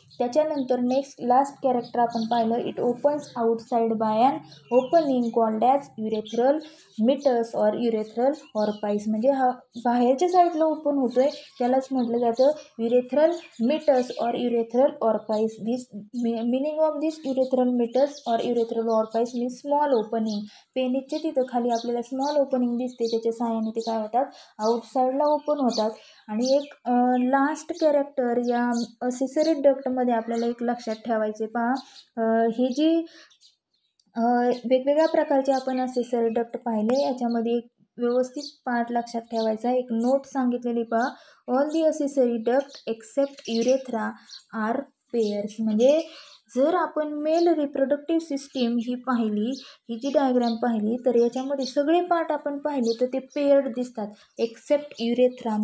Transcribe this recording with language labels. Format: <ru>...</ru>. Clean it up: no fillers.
<mr>त्याच्यानंतर next last character आपण पाहिलं,</mr> <en>it opens outside by an opening called as urethral meatus or urethral orifice,</en> <mr>म्हणजे हा बाहेरच्या साईडला ओपन होतो आहे, त्यालाच म्हटलं जातं urethral metres or urethral ऑर्पाईस.</mr> <en>This meaning of this urethral meatus or urethral orifice means small opening.</en> <mr>पेनिसचे तिथं खाली आपल्याला स्मॉल ओपनिंग दिसते, त्याच्या साह्याने ते काय होतात, आउटसाईडला ओपन होतात. आणि एक लास्ट कॅरेक्टर या असेसरी डक्टमध्ये आपल्याला एक लक्षात ठेवायचे, पहा हे जी वेगवेगळ्या प्रकारचे आपण असेसरी डक्ट पाहिले, याच्यामध्ये एक व्यवस्थित पार्ट लक्षात ठेवायचा, एक नोट सांगितलेली पहा,</mr> <en>all the accessory duct except urethra are pairs,</en> <mr>म्हणजे जर आपण मेल रिप्रोडक्टिव्ह सिस्टीम ही पाहिली, ही जी डायग्राम पाहिली, तर याच्यामध्ये सगळे पार्ट आपण पाहिले तर ते पेअर्ड दिसतात एक्सेप्ट युरेथ्रा.</mr>